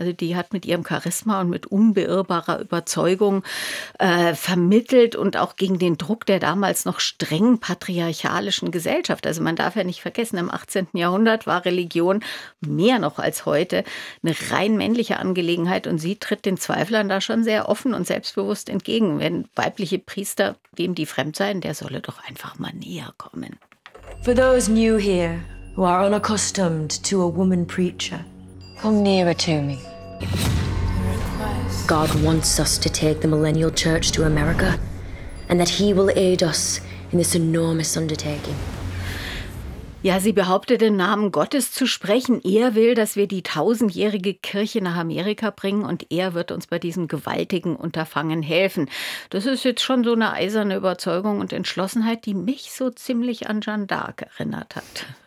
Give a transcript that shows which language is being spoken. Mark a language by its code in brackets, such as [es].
[de] Also die hat mit ihrem Charisma und mit unbeirrbarer Überzeugung vermittelt und auch gegen den Druck der damals noch streng patriarchalischen Gesellschaft. Also man darf ja nicht vergessen, im 18. Jahrhundert war Religion mehr noch als heute eine rein männliche Angelegenheit und sie tritt den Zweiflern da schon sehr offen und selbstbewusst entgegen. Wenn weibliche Priester, wem die fremd seien, der solle doch einfach mal näher kommen. [en] For those new here, who are unaccustomed to a woman preacher. Come nearer to me. God wants us to take the millennial church to America, and that he will aid us in this enormous undertaking. [de] Ja, sie behauptet, im Namen Gottes zu sprechen. Er will, dass wir die tausendjährige Kirche nach Amerika bringen und er wird uns bei diesem gewaltigen Unterfangen helfen. Das ist jetzt schon so eine eiserne Überzeugung und Entschlossenheit, die mich so ziemlich an Jeanne d'Arc erinnert hat.